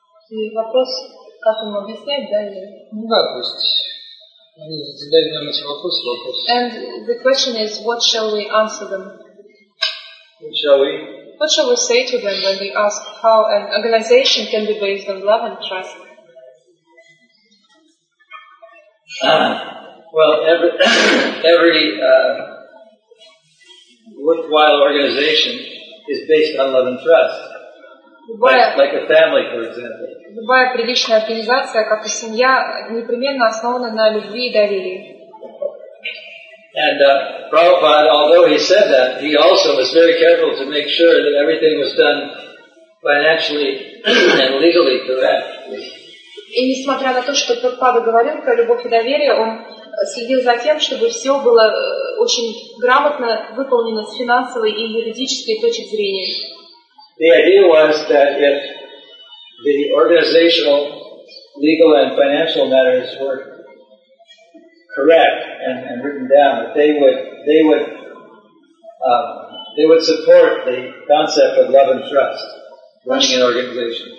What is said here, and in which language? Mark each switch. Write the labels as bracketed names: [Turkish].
[Russian] И вопрос, как ему объяснять, да, или? Ну да, то есть они задают нам эти вопросы. [English] And the question is, what shall we answer them? What shall we? What shall we say to them when they ask how an organization can be based on love and trust? Worthwhile organization is based on love and trust. Like a family, for example. [Russian] Любая приличная организация, как и семья, непременно основана на любви и доверии. [English] And Prabhupada, although he said that, he also was very careful to make sure that everything was done financially and legally correct. [Russian] И несмотря на то, что Прабхупада говорил про любовь и доверие, он следил за тем, чтобы все было очень грамотно выполнено с финансовой и юридической точки зрения. [English] The idea was that if the organizational, legal and financial matters were correct and written down, that they would support the concept of love and trust running an organization.